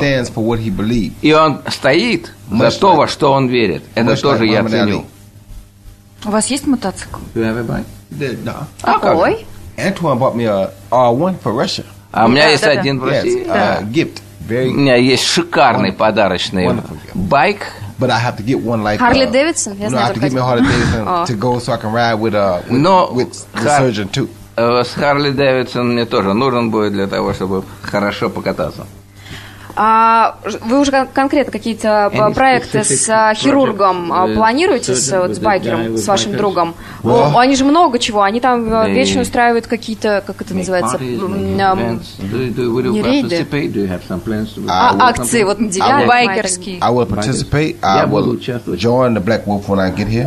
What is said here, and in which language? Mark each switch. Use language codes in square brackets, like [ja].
[ru] И он стоит за то, во что он верит. Это тоже я ценю. У вас есть мотоцикл? [en] Do you have a bike? [ru] Да. А какой? [en] Antoine bought me a R1 for Russia. [ru] А у меня есть один в России. [en] Gift. Very. [ru] У меня есть шикарный подарочный байк. [en] But I have to get one like Harley Davidson. You know, I have to get me a Harley Davidson to go so I can ride with the surgeon too. [ru] С Харли Дэвидсон мне тоже нужен будет для того, чтобы хорошо покататься. А вы уже конкретно какие-то проекты с хирургом планируете, вот с байкером, с вашим другом? Well, они же много чего, они там вечно устраивают какие-то, как это называется, рейды. Акции, вот на девятый байкерский. [en] I will participate. Join the Black Wolf when I get here.